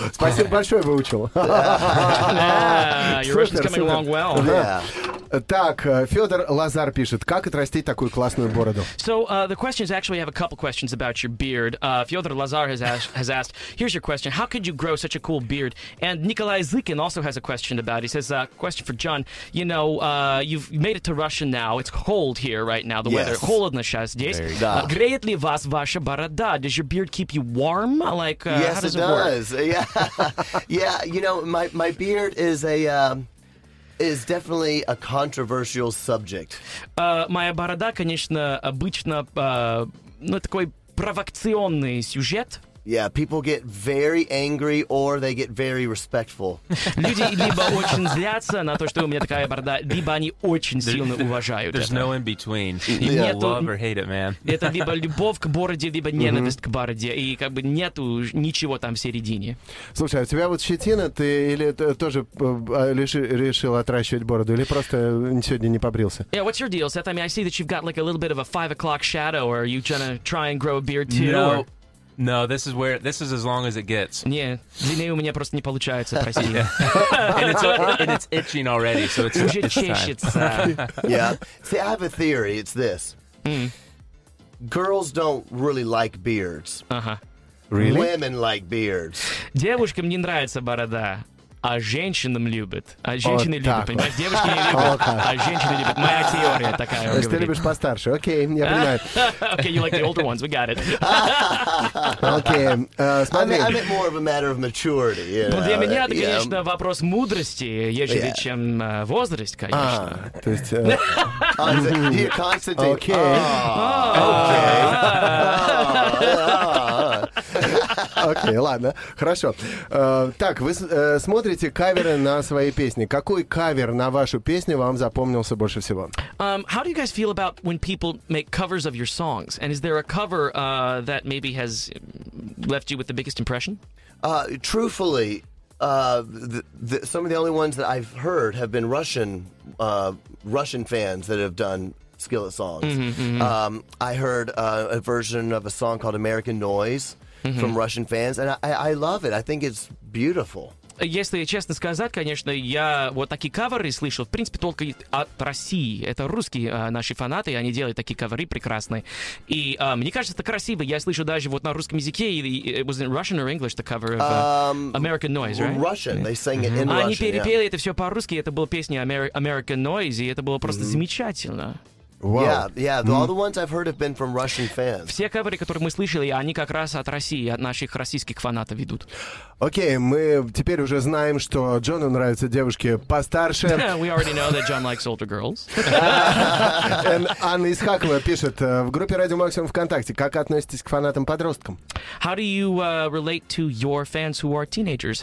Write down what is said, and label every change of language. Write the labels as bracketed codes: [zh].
[ru] Спасибо большое, выучил. [en] Your Russian's coming along well. [ru] Так, Федор Лазар пишет, как отрастить такую классную бороду? [en] So, the question is, actually, I have a couple questions about your beard. Федор Лазар has asked, here's your question, how could you grow such a cool beard? And Николай Зыкин also has a question about it. He says, question for John, you know, you've made it to Russia now, it's cold here right now, the weather, [ru] холодно сейчас здесь. Греет ли вас ваша борода? [en] Does your beard keep you warm? Like, yes, how does it does. Work? Yes, it does. Yeah, you know, my beard is a... is definitely a controversial subject. [ru] Моя борода, конечно, обычно такой провокационный сюжет. [en] Yeah, people get very angry or they get very respectful. [ru] Люди либо очень злятся на то, что у меня такая борода, либо они очень сильно уважают это. [en] There's no in between. You either love or hate it, man. [ru] Это либо любовь к бороде, либо ненависть к бороде. И как бы нету ничего там в середине. Слушай, а у тебя вот щетина, ты или тоже решил отращивать бороду, или просто сегодня не побрился? [en] Yeah, what's your deal, Seth? I mean, I see that you've got like a little bit of a 5 o'clock shadow, or are you gonna try and grow a beard too? No. Or... No, this is where this is as long as it gets. [ru] Не, длиннее у меня просто не получается, прости. [en] And it's itching already, so it's [ru] уже чешется. [en] Yeah. See, I have a theory. It's this. Mm. Girls don't really like beards. Uh-huh. Really? Women like beards. [ru] Девушкам не нравится борода. А женщинам любят. А женщины вот любят, понимаешь? Девушки не любят, а женщины любят. Моя теория такая. То есть говорит. Ты любишь постарше. Окей, я понимаю. Окей, [en] okay, you like the older ones, we got it. [ru] Окей, смотри. [en] I'm a bit more of a matter of maturity. You know? [ru] Для меня это, конечно, yeah. вопрос мудрости, ежели yeah. чем возраст, конечно. А, то есть... [en] Here, Constantine. [ru] Окей. Окей, ладно, хорошо. Так, вы смотрите каверы на свои песни. Какой кавер на вашу песню вам запомнился больше всего? [en] How do you guys feel about when people make covers of your songs? And is there a cover that maybe has left you with the biggest impression? Truthfully, some of the only ones that I've heard have been Russian fans that have done Skillet songs. Mm-hmm, mm-hmm. I heard a version of a song called American Noise. Mm-hmm. From Russian fans, and I love it. I think it's beautiful. [ru] Если честно сказать, конечно, я вот такие каверы слышал, в принципе, только от России. Это русские наши фанаты, они делают такие каверы прекрасные. И мне кажется, это красиво. Я слышу даже вот на русском языке, [en] it was in Russian or English, the cover of American Noise, right? Russian, they sang it in Russian. [ru] Они перепели [en] yeah. [ru] это все по-русски, это была песня American Noise, и это было просто mm-hmm. замечательно. [en] Wow. Yeah, all the ones I've heard have been from Russian fans. [ru] Все каверы, которые мы слышали, они как раз от России, от наших российских фанатов идут. Окей, мы теперь уже знаем, что Джону нравятся девушки постарше. [en] We already know that John likes older girls. [ru] And Анна Исхакова пишет в группе Радио Максимум ВКонтакте, как относитесь к фанатам-подросткам? [en] How do you relate to your fans who are teenagers?